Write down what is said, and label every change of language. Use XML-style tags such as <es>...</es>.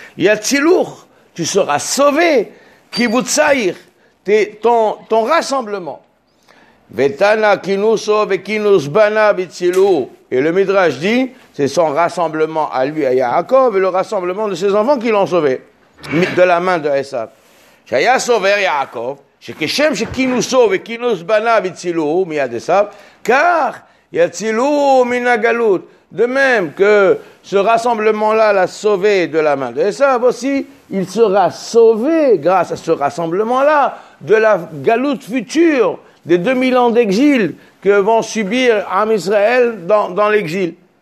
<he>Yatzilur,</he> <fr>tu seras sauvé.</fr> <he>Kibbutzair,</he> <fr>ton rassemblement.</fr> <he>Vetana kinuso vekinus bana bitsilu.</he> <fr>Et le Midrash dit, c'est son rassemblement à lui, à Yaakov, et le rassemblement de ses enfants qui l'ont sauvé, de la main de Esav. Shaya sauver Yaakov,</fr> <he>שכשם שכינוסו וכינוס בניו יצילו מיד עשיו, כך יצילו מן הגלות.</he> <fr>De même que ce rassemblement-là l'a sauvé de la main de Esav, aussi il sera sauvé grâce à ce rassemblement-là de la galoute future des 2000 ans d'exil que vont subir Am Israël dans l'exil.</fr>